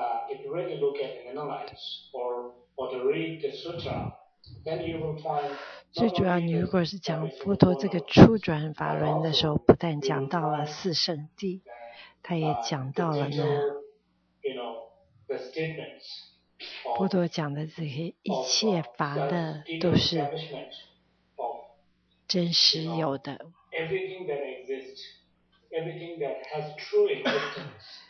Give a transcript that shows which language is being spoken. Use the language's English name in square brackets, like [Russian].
[English] if you really look at and analyze or to read the sutra, then you will find [Chinese] 最主要你如果是讲佛陀这个初转法轮的时候，不但讲到了四圣谛，他也讲到了呢 [English] you know, the statements, [Chinese] 佛陀讲的这些一切法的都是真实有的。 [English] Everything that exists,Everything that has true existence,